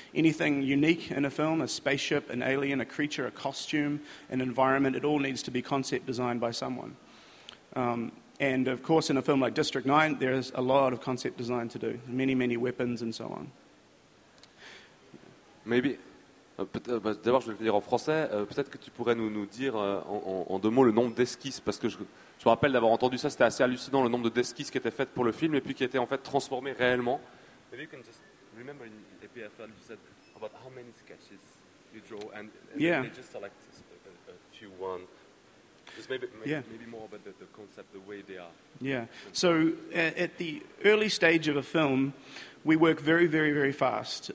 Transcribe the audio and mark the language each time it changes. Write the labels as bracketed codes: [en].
[en] Anything unique in a film, a spaceship, an alien, a creature, a costume, an environment, it all needs to be concept designed by someone. And, of course, in a film like District 9, there is a lot of concept design to do, many, many weapons and so on. [fr] Maybe D'abord, je vais le dire en français. Peut-être que tu pourrais nous dire en deux mots le nombre d'esquisses, parce que je me rappelle d'avoir entendu ça, c'était assez hallucinant, le nombre d'esquisses qui étaient faites pour le film et puis qui étaient en fait transformées réellement. [en] Maybe you can just remember in the PFL you said about how many sketches you draw and yeah. They just select a few one. Just maybe more about the concept, the way they are. Yeah. So at the early stage of a film, we work very, very, very fast.